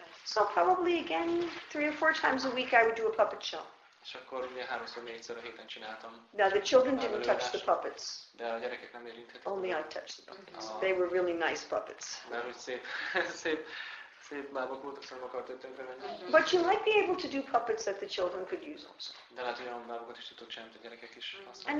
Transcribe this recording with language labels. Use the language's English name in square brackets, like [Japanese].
[English] So probably again, 3 or 4 times a week I would do a puppet show. [Hungarian] És akkor ugye 3-4-szer a héten csináltam. [English] Now the children didn't touch the puppets. [Hungarian] De a gyerekek nem érintettek. [English] Only I touched the puppets. They were really nice puppets. [Hungarian] Mert úgy szép bábok voltak, szóval akart ötten felvenni. [English] But you might be able to do puppets that the children could use also. [Hungarian] De lehet, hogy olyan bábokat is tudtok csinálni, a gyerekek is használni.